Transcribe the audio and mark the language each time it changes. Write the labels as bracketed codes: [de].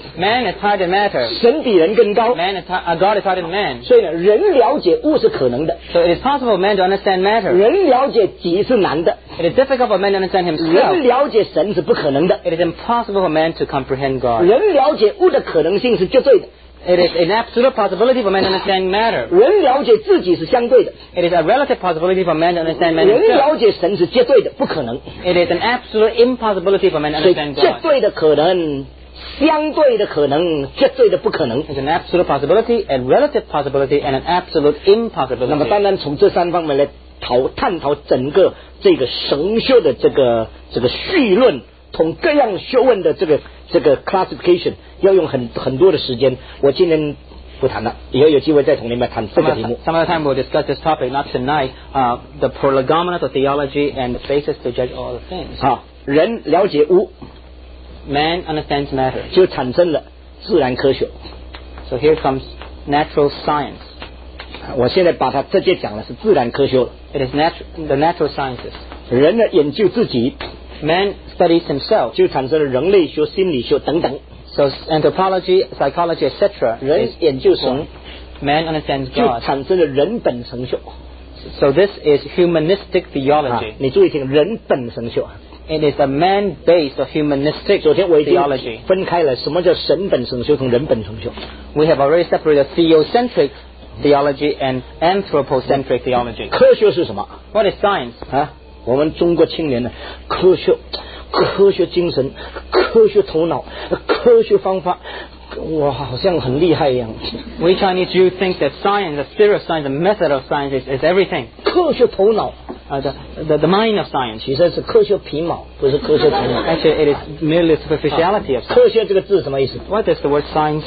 [en] Man is higher than matter. [zh] 神比人更高。 [en] Man is God is higher than man. [zh] 所以呢，人了解物是可能的。 [en] So it is possible for man to understand matter. [zh] 人了解己是难的。 [en] It is difficult for man to understand himself. [zh] 人了解神是不可能的。 [en] It is impossible for man to comprehend God. [zh] 人了解物的可能性是绝对的。 [en] It is an absolute possibility for man to understand matter. [zh] 人了解自己是相对的。 [en] It is a relative possibility for man to understand man. [zh] 人了解神是绝对的，不可能。 [en] It is an absolute impossibility for man to understand God. [zh] 绝对的可能，相对的可能，绝对的不可能。 [en] It's an absolute possibility, a relative possibility, and an absolute impossibility. [zh] 那么，单单从这三方面来探讨整个这个神学的这个绪论。从各样学问的这个 classification 要用很多的时间，我今天不谈了，以后有机会再同你们谈这个题目。 [en] Some other time we'll discuss this topic, not tonight. The prolegomena of theology and the basis to judge all the things. [zh] 好，人了解物 [en] ，man understands matter， [zh] 就产生了自然科学。 [en] So here comes natural science. [zh] 我现在把它直接讲了是自然科学了。 [en] It is the natural sciences. [zh] 人呢研究自己。 [en] Man studies himself, [zh] 就产生了人类学、心理学等等。 [en] So anthropology, psychology, etc. [zh] 人研究神 [en] ，Man understands God, [zh] 就产生了人本神学。 [en] So this is humanistic theology.、 [zh] 你注意听，人本神学。 [en] It is a man-based or humanistic theology. [zh] 分开了什么叫神本重修和人本重修。 [en] We have already separated theocentric theology and anthropocentric theology. [zh] 科学是什么？ [en] What is science? [zh] 啊，我们中国青年呢，科学精神，科学头脑，科学方法，哇，好像很厉害一样。 [en] We Chinese youth think that science, the spirit of science, the method of science is everything. [zh] 科学头脑。 [en] The mind of science. [zh] 其实是科学皮毛，不是科学头脑。 [en] Actually, it is merely superficiality of science. [zh] 科学这个字什么意思？ [en] What does the word science mean?